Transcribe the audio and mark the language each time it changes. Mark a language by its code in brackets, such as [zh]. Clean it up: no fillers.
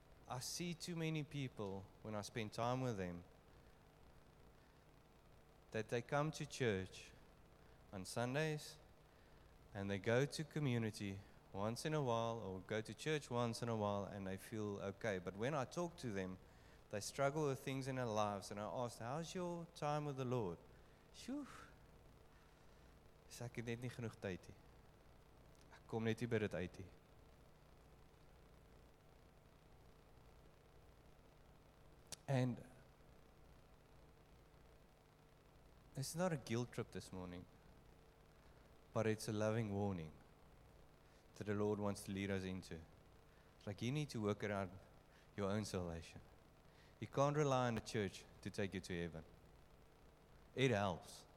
[en] I see too many people when I spend time with them that they come to church on Sundays and they go to community once in a while or go to church once in a while and they feel okay. But when I talk to them, they struggle with things in their lives and I ask, how's your time with the Lord? Phew. [af] Ek het net nie genoeg tyd nie. Ek kom net nie by dit uit nie. [en] And it's not a guilt trip this morning, but it's a loving warning that the Lord wants to lead us into. It's like you need to work around your own salvation. You can't rely on the church to take you to heaven. It helps.